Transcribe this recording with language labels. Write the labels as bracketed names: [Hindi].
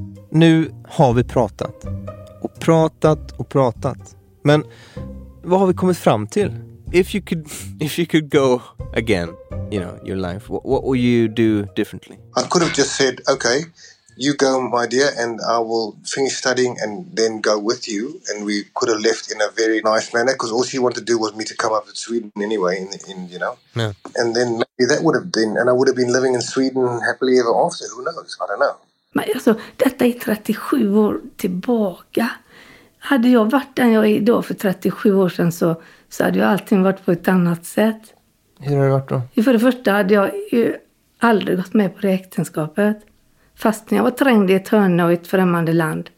[Swedish] Nu har vi pratat. Pratat och pratat. Men vad har vi kommit fram till? [English] If you could go again, you know, your life, what would you do differently? I could have just said, okay, you go, my dear, and I will finish studying and then go with you. And we could have left in a very nice manner because all she wanted to do was me to come up to Sweden anyway, in you know. Yeah. And then maybe that would have been, and I would have been living in Sweden happily ever after. Who knows? I don't know. [Swedish] Men alltså, detta är 37 år tillbaka. Hade jag varit den jag är idag för 37 år sedan så hade jag allting varit på ett annat sätt. Hur har det varit då? För det första hade jag ju aldrig gått med på det äktenskapet. Fast när jag var trängd i ett hörn och ett främmande land.